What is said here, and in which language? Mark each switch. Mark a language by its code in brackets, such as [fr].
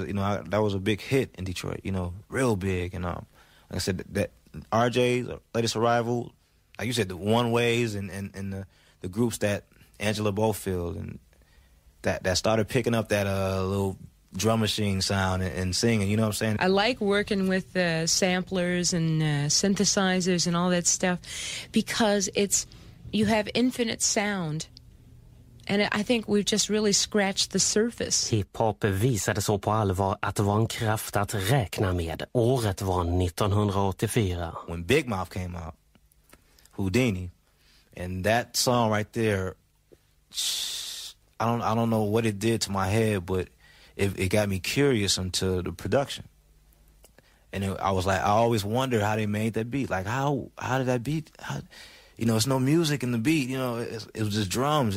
[en] That, you know, that was a big hit in Detroit, you know, real big. And like I said, that RJ's latest arrival, like you said, the One Ways and the groups that Angela Bofield and that started picking up that little drum machine sound and singing, you know what I'm saying? I like working with the samplers and synthesizers and all that stuff because it's, you have infinite sound. And I think we've just really scratched the surface. [sv] Hip-hop visade så på allvar att det var en kraft att räkna med. Året var 1984. [en] When Big Mouth came out, Houdini, and that song right there, I don't know what it did to my head, but it got me curious into the production. And I was like, I always wonder how they made that beat. Like, how did that beat, how, you know, it's no music in the beat, you know, it was just drums.